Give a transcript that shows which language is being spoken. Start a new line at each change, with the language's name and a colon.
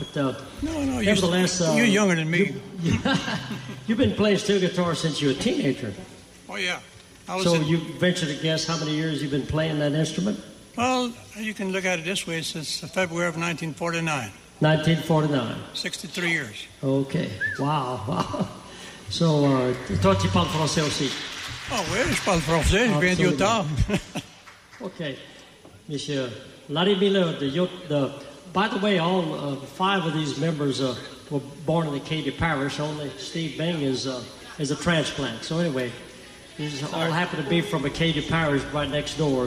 English: But nevertheless, you're younger than me. You've been playing steel guitar since you were a teenager. Oh yeah. You venture to guess how many years you've been playing that instrument? Well, you can look at it this way: since February of 1949. 1949. 63 years. Okay. Wow.
French: So, toi tu parles français aussi? Oh, oui, je parle français. Je viens du temps.
English: Okay. Monsieur Larry Miller, by the way, all five of these members were born in the Katy Parish. Only Steve Bing is a transplant. So anyway, these all happen to be from the Katy Parish right next door.